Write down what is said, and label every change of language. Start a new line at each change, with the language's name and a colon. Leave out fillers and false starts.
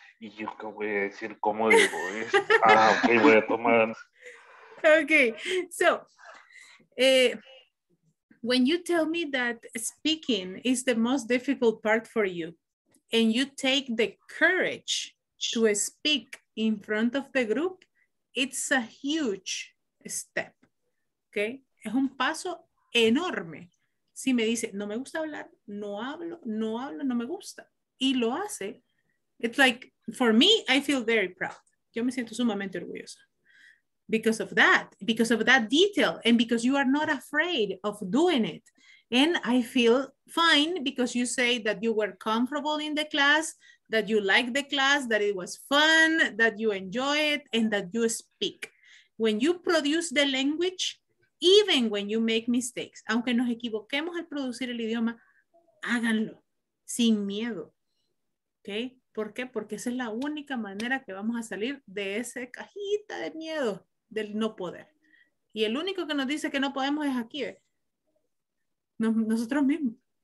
Spanish: Y yo qué voy a decir, cómo digo. ok, voy a tomar.
English: Ok, so, when you tell me that speaking is the most difficult part for you, and you take the courage to speak in front of the group, it's a huge step.
Spanish: Ok, es un paso enorme. Si me dice, no me gusta hablar, no hablo, no me gusta. Y lo hace.
English: It's like, for me, I feel very proud.
Spanish: Yo me siento sumamente orgullosa.
English: Because of that detail. And because you are not afraid of doing it. And I feel fine because you say that you were comfortable in the class, that you liked the class, that it was fun, that you enjoy it, and that you speak. When you produce the language, even when you make mistakes.
Spanish: Aunque nos equivoquemos al producir el idioma, háganlo sin miedo. ¿Okay? ¿Por qué? Porque esa es la única manera que vamos a salir de esa cajita de miedo del no poder. Y el único que nos dice que no podemos es aquí, ¿eh? Nosotros mismos.